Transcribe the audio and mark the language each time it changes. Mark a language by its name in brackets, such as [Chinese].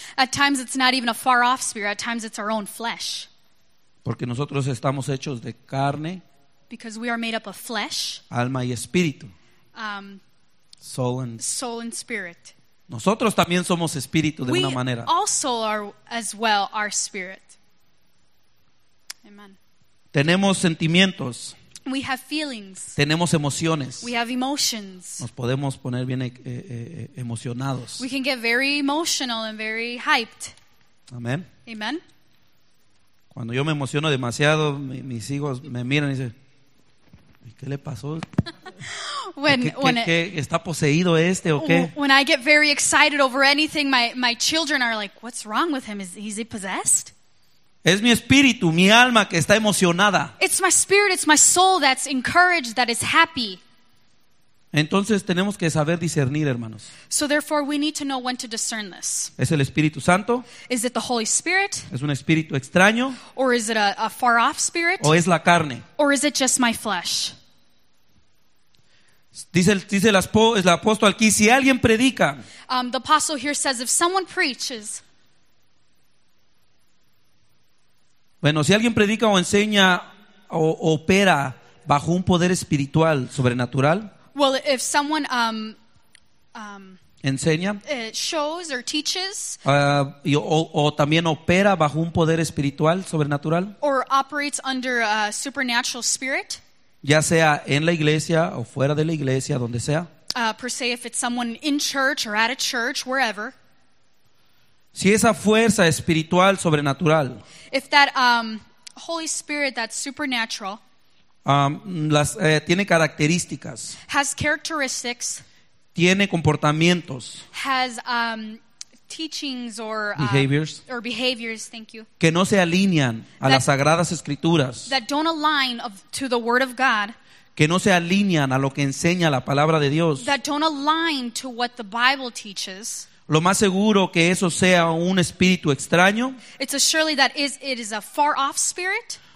[English] At times it's not even a far off spirit, at times it's our own flesh. [Spanish] Porque nosotros estamos hechos de carne. [English] Because we are made up of flesh. [Spanish] Alma y espíritu. [English] Soul and spirit. [Spanish] Nosotros también somos espíritu de [English] we [Spanish] una manera. [English] We also are as well our spirit. Amen. [Spanish] Tenemos sentimientos. [English] We have feelings. [Spanish] Tenemos emociones. [English] We have emotions. [Spanish] Nos podemos poner bien emocionados. [English] We can get very emotional and very hyped. Amen. Amen. [Spanish] Cuando yo me emociono demasiado, mis hijos me miran y dicen, ¿y qué le pasó? ¿Qué está poseído este o qué? [English] When I get very excited over anything, my children are like, what's wrong with him? Is he possessed? [Spanish] Es mi espíritu, mi alma que está emocionada. [English] It's my spirit, it's my soul that's encouraged, that is happy. [Spanish] Entonces tenemos que saber discernir, hermanos. [English] So therefore we need to know when to discern this. [Spanish] ¿Es el Espíritu Santo? [English] Is it the Holy Spirit? [Spanish] ¿Es un espíritu extraño? [English] Or is it a far off spirit? [Spanish] ¿O es la carne? [English] Or is it just my flesh? [Spanish] Dice el apóstol aquí, si alguien predica. [English] The apostle here says if someone preaches. [Spanish] Bueno, si alguien predica o enseña o opera bajo un poder espiritual sobrenatural. [English] Well, if someone [Spanish] enseña, [English] shows or teaches, [Spanish] o también opera bajo un poder espiritual sobrenatural, [English] or operates under a supernatural spirit, [Spanish] ya sea en la iglesia o fuera de la iglesia, donde sea, [English] per se, if it's someone in church or at a church, wherever, [Spanish] si esa fuerza espiritual sobrenatural, [English] if that Holy Spirit that's supernatural. [Spanish] Tiene características. [English] Has characteristics. [Spanish] Tiene comportamientos. [English] Has teachings or behaviors. Or behaviors, thank you. [Spanish] Que no se alinean a las sagradas escrituras. [English] That don't align to the word of God. [Spanish] Que no se alinean a lo que enseña la palabra de Dios. [English] That don't align to what the Bible teaches. [Spanish] Lo más seguro que eso sea un espíritu extraño. [English] It's a surely that is it is a far off spirit.